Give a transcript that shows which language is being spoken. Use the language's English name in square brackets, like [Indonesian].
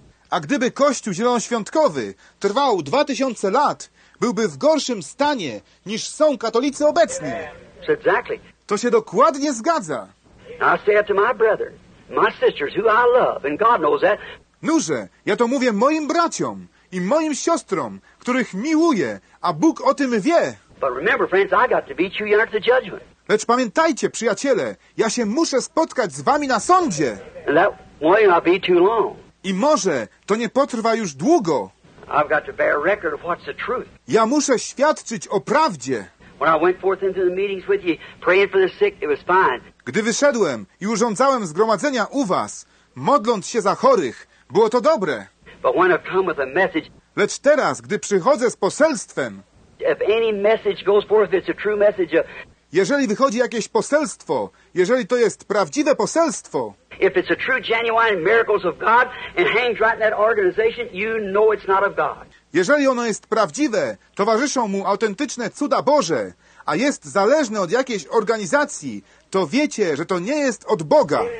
[Polish] A gdyby kościół zielonoświątkowy trwał 2000 lat, byłby w gorszym stanie niż są katolicy obecni. [English] Exactly. [Polish] To się dokładnie zgadza. [English] I say to my brother, my sisters, who I love, and God knows that. [Polish] Nuże, ja to mówię moim braciom i moim siostrom, których miłuję, a Bóg o tym wie. [English] But remember, friends, I got to beat you under the judgment. [Polish] Lecz pamiętajcie, przyjaciele, ja się muszę spotkać z wami na sądzie. [English] And that won't be too long. [Polish] I może to nie potrwa już długo. [English] I've got to bear record of what's the truth. [Polish] Ja muszę świadczyć o prawdzie. [English] When I went forth into the meetings with you, praying for the sick, it was fine. [Polish] Gdy wyszedłem i urządzałem zgromadzenia u was, modląc się za chorych, było to dobre. [English] But when I come with a message, [Polish] lecz teraz, gdy przychodzę z poselstwem, [English] if any message goes forth, it's a true message, [Polish] jeżeli wychodzi jakieś poselstwo, jeżeli to jest prawdziwe poselstwo, [English] if it's a true, genuine miracles of God and hangs right in that organization, you know it's not of God. [Polish] Jeżeli ono jest prawdziwe, towarzyszą mu autentyczne cuda Boże, a jest zależne od jakiejś organizacji, to wiecie, że to nie jest od Boga.